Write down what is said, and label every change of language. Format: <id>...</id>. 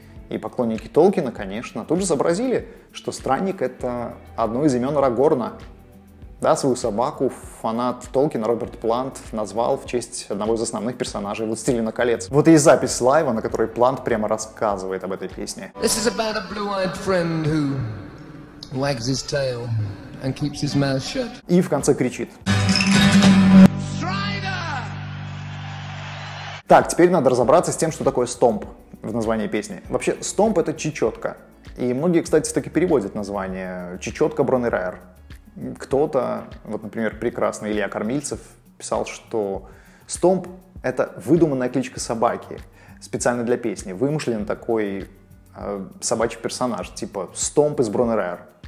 <ru>И поклонники Толкина, конечно, тут же сообразили, что Странник — это одно из имен Арагорна. Да, свою собаку фанат Толкина Роберт Плант назвал в честь одного из основных персонажей «Властелина колец». Вот и запись лайва, на которой Плант прямо рассказывает об этой песне.</ru> <en>This is about a blue-eyed friend who wags his tail and keeps his mouth shut.</en> <ru>И в конце кричит. Так, теперь надо разобраться с тем, что такое стомп в названии песни. Вообще, стомп — это чечетка. И многие, кстати, так и переводят название. Чечетка Бронерайр. Кто-то, вот, например, прекрасный Илья Кормильцев, писал, что стомп — это выдуманная кличка собаки, специально для песни, вымышленный такой собачий персонаж, типа стомп из Бронерайр.</ru>